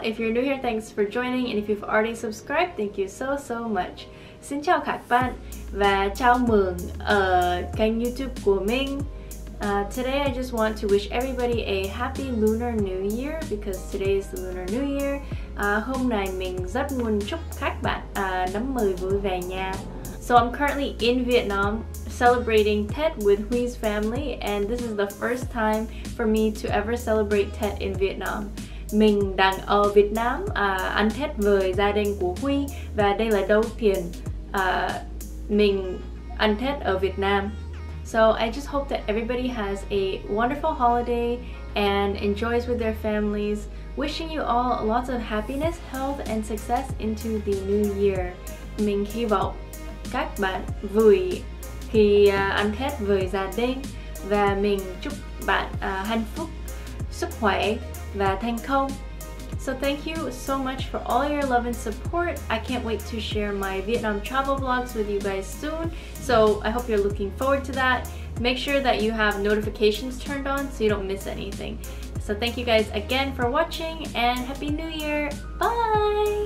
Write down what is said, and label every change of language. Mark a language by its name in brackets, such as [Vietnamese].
[English] If you're new here, thanks for joining, and if you've already subscribed, thank you so much. [Vietnamese] Xin chào các bạn và chào mừng kênh YouTube của mình. [English] Today I just want to wish everybody a happy Lunar New Year, because today is the Lunar New Year. [Vietnamese] Hôm nay mình rất muốn chúc các bạn năm mới vui vẻ nha. [English] So I'm currently in Vietnam celebrating Tết with Huy's family, and this is the first time for me to ever celebrate Tết in Vietnam. [Vietnamese] Mình đang ở Việt Nam ăn Tết với gia đình của Huy, và đây là đầu tiên mình ăn Tết ở Việt Nam. [English] So I just hope that everybody has a wonderful holiday and enjoys with their families. Wishing you all lots of happiness, health, and success into the new year. [Vietnamese] Mình hy vọng các bạn vui khi ăn Tết với gia đình, và mình chúc bạn hạnh phúc, sức khỏe và thành công. [English] So thank you so much for all your love and support. I can't wait to share my Vietnam travel vlogs with you guys soon. So I hope you're looking forward to that. Make sure that you have notifications turned on so you don't miss anything. So thank you guys again for watching, and Happy New Year. Bye!